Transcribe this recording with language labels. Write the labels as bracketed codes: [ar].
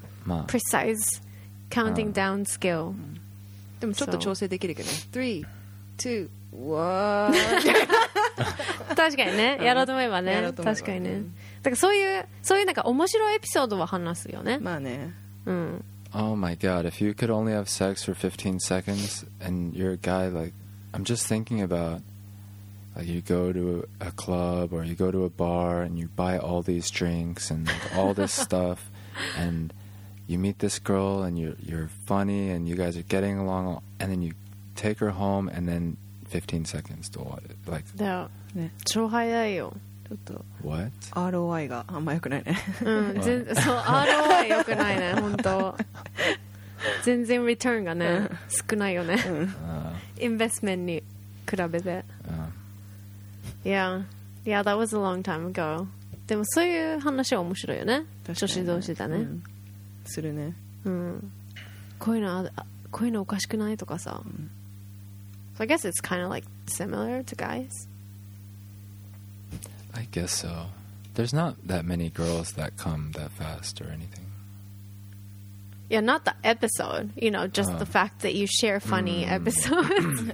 [ja] まあ。 [en] Precise counting down skill. [ja] でもちょっと調整できるけど。 [en] Three, two, one. [ja] 確かにね、やろうと思えばね、確かにね。だからそういうなんか面白いエピソードは話すよね。まあね。うん。 [en] Oh my god, if you could only have sex for 15 seconds and you're a guy, like, I'm just thinking about, like, you go to a club or you go to a bar and you buy all these drinks and like, all this stuff and you meet this girl and you're funny and you guys are getting along and then you take her home and then 15 seconds to what? Like, yeah. [ja] 超早いよ。ちょっと [en] What? [ja] ROI があんま良くないね。うん、そう ROI 良くないね、本当。全然リターンがね、少ないよね。インベスメントに比べて。 [en] Yeah, yeah, that was a long time ago. [ja] でもそういう話は面白いよね。女子同士だね。するね。うん。こういうのあ、こういうのおかしくないとかさ。 [en] So I guess it's kind of like similar to guys. I guess so. There's not that many girls that come that fast or anything. Yeah, not the episode. You know, just the fact that you share funny episodes.